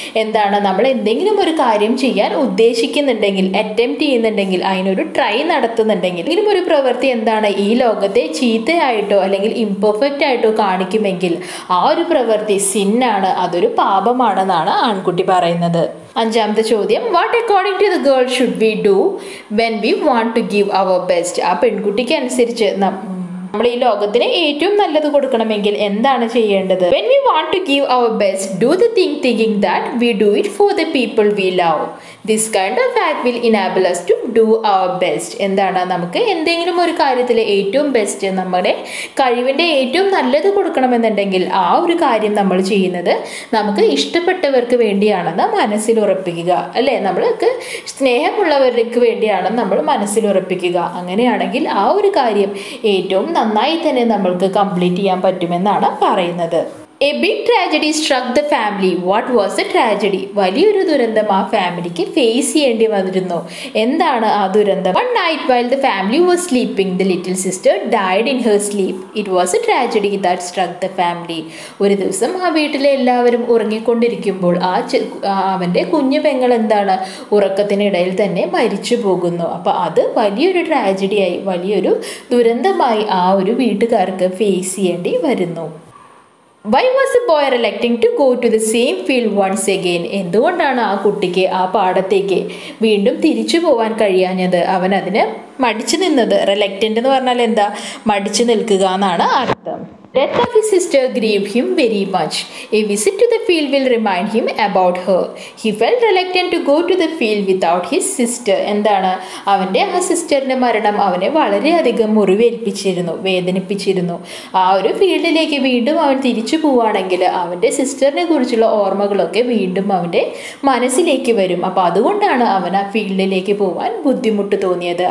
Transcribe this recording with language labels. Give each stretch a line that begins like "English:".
Malayalam: എന്താണ്, നമ്മൾ എന്തെങ്കിലും ഒരു കാര്യം ചെയ്യാൻ ഉദ്ദേശിക്കുന്നുണ്ടെങ്കിൽ, അറ്റംപ്റ്റ് ചെയ്യുന്നുണ്ടെങ്കിൽ, അതിനൊരു ട്രൈ നടത്തുന്നുണ്ടെങ്കിൽ, എങ്കിലും ഒരു പ്രവൃത്തി എന്താണ് ഈ ലോകത്തെ ചീത്തയായിട്ടോ അല്ലെങ്കിൽ ഇംപെർഫെക്റ്റ് ആയിട്ടോ കാണിക്കുമെങ്കിൽ ആ ഒരു പ്രവൃത്തി സിന്നാണ്, അതൊരു പാപമാണെന്നാണ് ആൺകുട്ടി പറയുന്നത്. അഞ്ചാമത്തെ ചോദ്യം,
English: What according to the girl should we do when we want to give our best?
Malayalam: ആ പെൺകുട്ടിക്ക് അനുസരിച്ച് നമ്മൾ ഈ ലോകത്തിന് ഏറ്റവും നല്ലത് കൊടുക്കണമെങ്കിൽ എന്താണ് ചെയ്യേണ്ടത്?
English: When we want to give our best, do the thing thinking that we do it for the people we love. This kind of act will enable us to do our best.
Malayalam: എന്താണ് നമുക്ക് എന്തെങ്കിലും ഒരു കാര്യത്തിൽ ഏറ്റവും best, നമ്മുടെ കഴിവിൻ്റെ ഏറ്റവും നല്ലത് കൊടുക്കണമെന്നുണ്ടെങ്കിൽ ആ ഒരു കാര്യം നമ്മൾ ചെയ്യുന്നത് നമുക്ക് ഇഷ്ടപ്പെട്ടവർക്ക് വേണ്ടിയാണെന്ന് മനസ്സിൽ ഉറപ്പിക്കുക. അല്ലെ, നമ്മൾക്ക് സ്നേഹമുള്ളവർക്ക് വേണ്ടിയാണ് നമ്മൾ മനസ്സിൽ ഉറപ്പിക്കുക. അങ്ങനെയാണെങ്കിൽ ആ ഒരു കാര്യം ഏറ്റവും നന്നായി തന്നെ നമ്മൾക്ക് കംപ്ലീറ്റ് ചെയ്യാൻ പറ്റുമെന്നാണ് പറയുന്നത്.
English: A big tragedy struck the family. What was the tragedy?
Malayalam: വലിയൊരു ദുരന്തം ആ ഫാമിലിക്ക് ഫേസ് ചെയ്യേണ്ടി വന്നിരുന്നു. എന്താണ് ആ ദുരന്തം?
English: One night while the family was sleeping, the little sister died in her sleep. It was a tragedy that struck the family.
Malayalam: ഒരു ദിവസം ആ വീട്ടിലെ എല്ലാവരും ഉറങ്ങിക്കൊണ്ടിരിക്കുമ്പോൾ ആ അവൻ്റെ കുഞ്ഞു പെങ്ങൾ എന്താണ് ഉറക്കത്തിനിടയിൽ തന്നെ മരിച്ചു പോകുന്നു. അപ്പോൾ അത് വലിയൊരു ട്രാജഡിയായി, വലിയൊരു ദുരന്തമായി ആ ഒരു വീട്ടുകാർക്ക് ഫേസ് ചെയ്യേണ്ടി വരുന്നു.
English: Why was the boy electing to go to the same field once again?
Malayalam: എന്തുകൊണ്ടാണ് ആ കുട്ടിക്ക് ആ പാടത്തേക്ക് വീണ്ടും തിരിച്ചു പോവാൻ കഴിയാഞ്ഞത്? അവൻ അതിന് മടിച്ചു നിന്നത്. റിലക്റ്റന്റ് എന്ന് പറഞ്ഞാൽ എന്താ, മടിച്ചു നിൽക്കുക എന്നാണ് അർത്ഥം.
English: Death of his sister grieved him very much. A visit to the field will remind him about her. He felt reluctant to go to the field without his sister.
Malayalam: എന്താണ്, അവൻ്റെ ആ സിസ്റ്ററിൻ്റെ മരണം അവനെ വളരെയധികം മുറിവേൽപ്പിച്ചിരുന്നു, വേദനിപ്പിച്ചിരുന്നു. ആ ഒരു ഫീൽഡിലേക്ക് വീണ്ടും അവൻ തിരിച്ചു പോവുകയാണെങ്കിൽ അവൻ്റെ സിസ്റ്ററിനെ കുറിച്ചുള്ള ഓർമ്മകളൊക്കെ വീണ്ടും അവൻ്റെ മനസ്സിലേക്ക് വരും. അപ്പോൾ അതുകൊണ്ടാണ് അവൻ ആ ഫീൽഡിലേക്ക് പോവാൻ ബുദ്ധിമുട്ട് തോന്നിയത്.